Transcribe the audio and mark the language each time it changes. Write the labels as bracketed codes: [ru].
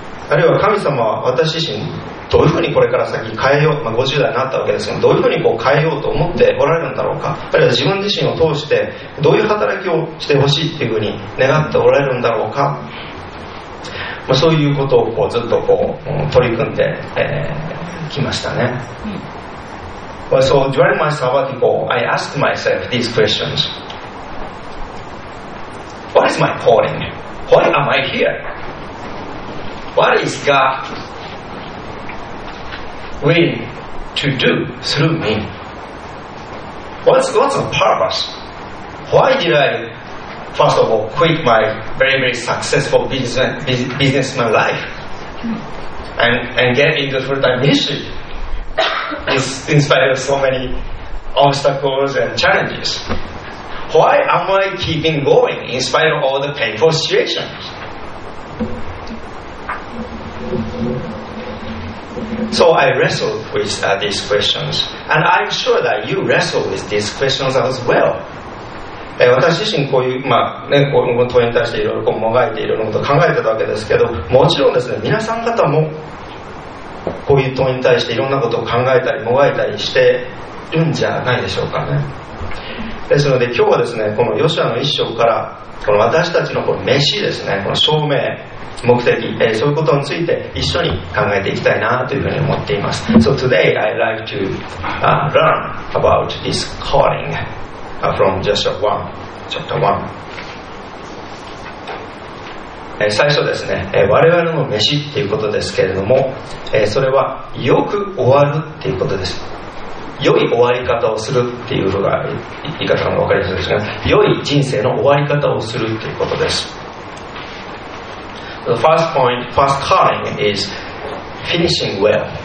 [ja] あるいは神様は私自身どういうふうにこれから先変えよう、50代になったわけですけど、どういうふうにこう変えようと思っておられるんだろうか、あるいは自分自身を通してどういう働きをしてほしいっていうふうに願っておられるんだろうか、そういうことをこうずっとこう取り組んで、きましたね。 [en] Well, so during my sabbatical, I asked myself these questions. What is my calling? Why am I here? What is God willing to do through me? What's the purpose? Why did I, first of all, quit my very, very successful businessman life and get into full-time ministry? In spite of so many obstacles and challenges, why am I keeping going in spite of all the painful situations? So I wrestled with these questions, and I'm sure that you wrestle with these questions as well. [ja] 私自身こういう、この問いに対していろいろもがいていろいろと考えてたわけですけど、もちろんですね、皆さん方もこういう問いに対していろんなことを考えたりもがいたりしてるんじゃないでしょうかね。ですので今日はですね、このヨシュアの一章からこの私たちのこの召しですね、この証明、目的、そういうことについて一緒に考えていきたいなというふうに思っています。 [en] So today I'd like to learn about this calling from Joshua 1, chapter 1. [ja] 最初ですね、我々の召しっていうことですけれども、それはよく終わるっていうことです。良い終わり方をするっていうのが言い方が分かりやすいですが、良い人生の終わり方をするっていうことです。 [en] The first point, first calling is finishing well.